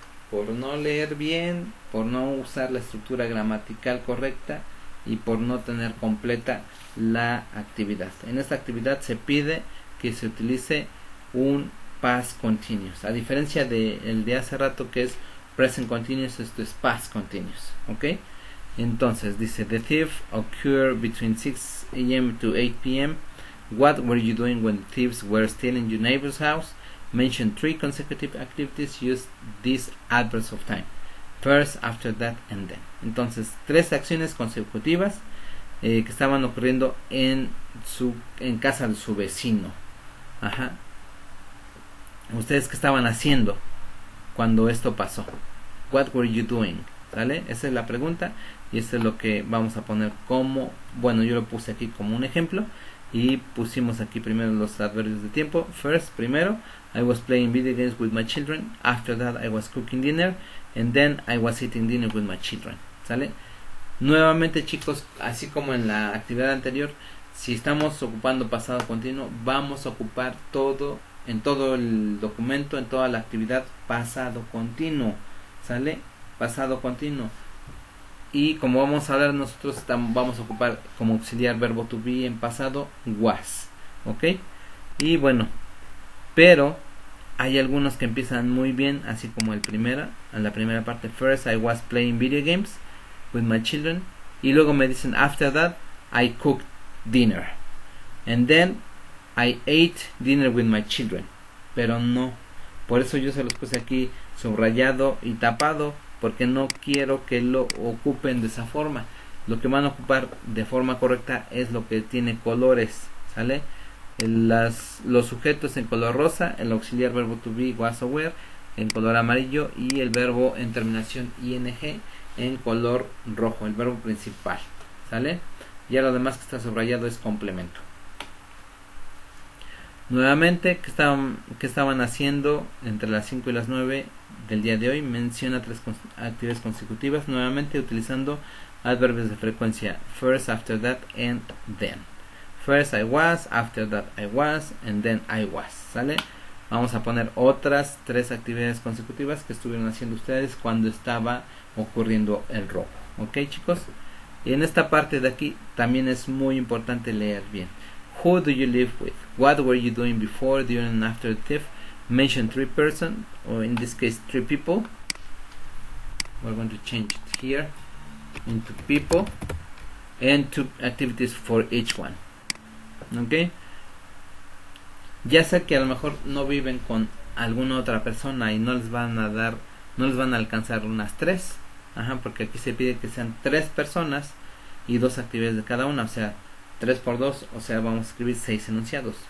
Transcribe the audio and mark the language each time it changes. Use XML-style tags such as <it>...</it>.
<es>Por no leer bien, por no usar la estructura gramatical correcta y por no tener completa la actividad. En esta actividad se pide que se utilice un past continuous, a diferencia del de hace rato que es present continuous, esto es past continuous, ¿ok? Entonces dice:</es> <en>The thief occurred between 6 a.m. to 8 p.m. What were you doing when the thieves were stealing your neighbor's house? Mention three consecutive activities. Use these adverbs of time: first, after that, and then.</en> <es>Entonces, tres acciones consecutivas. que estaban ocurriendo en casa de su vecino. Ajá. ¿Ustedes qué estaban haciendo cuando esto pasó?</es> <en>What were you doing?</en> <es>¿Sale? Esa es la pregunta y esto es lo que vamos a poner como, bueno, yo lo puse aquí como un ejemplo y pusimos aquí primero los adverbios de tiempo.</es> <en>First,</en> <es>primero,</es> <en>I was playing video games with my children. After that, I was cooking dinner. And then I was eating dinner with my children.</en> <es>¿Sale? Nuevamente, chicos, así como en la actividad anterior, si estamos ocupando pasado continuo, vamos a ocupar todo, en todo el documento, en toda la actividad, pasado continuo. ¿Sale? Pasado continuo. Y como vamos a hablar, nosotros vamos a ocupar como auxiliar verbo to be en pasado, was. ¿Ok? Y bueno, pero hay algunos que empiezan muy bien, así como la primera parte.</es> <en>First, I was playing video games with my children.</en> <es>Y luego me dicen,</es> <en>after that, I cooked dinner. And then, I ate dinner with my children.</en> <es>Pero no. Por eso yo se los puse aquí subrayado y tapado, porque no quiero que lo ocupen de esa forma. Lo que van a ocupar de forma correcta es lo que tiene colores, ¿sale? Los sujetos en color rosa, el auxiliar verbo to be, was o were, en color amarillo, y el verbo en terminación ing en color rojo, el verbo principal, ¿sale? Ya lo demás que está subrayado es complemento. Nuevamente, ¿qué estaban haciendo entre las 5 y las 9 del día de hoy? Menciona tres actividades consecutivas, nuevamente utilizando adverbios de frecuencia.</es> <en>First, after that, and then. First I was, after that I was, and then I was.</en> <es>¿Sale? Vamos a poner otras tres actividades consecutivas que estuvieron haciendo ustedes cuando estaba ocurriendo el robo. ¿Ok, chicos? Y en esta parte de aquí también es muy importante leer bien.</es> <en>Who do you live with? What were you doing before, during, and after the theft? Mention three persons, or in this case, three people. We're going to change it here into people and two activities for each one.</en> <es>¿Ok? Ya sé que a lo mejor no viven con alguna otra persona y no les van a alcanzar unas tres. Ajá, porque aquí se pide que sean tres personas y dos actividades de cada una, o sea, 3 por 2, o sea, vamos a escribir 6 enunciados.</es>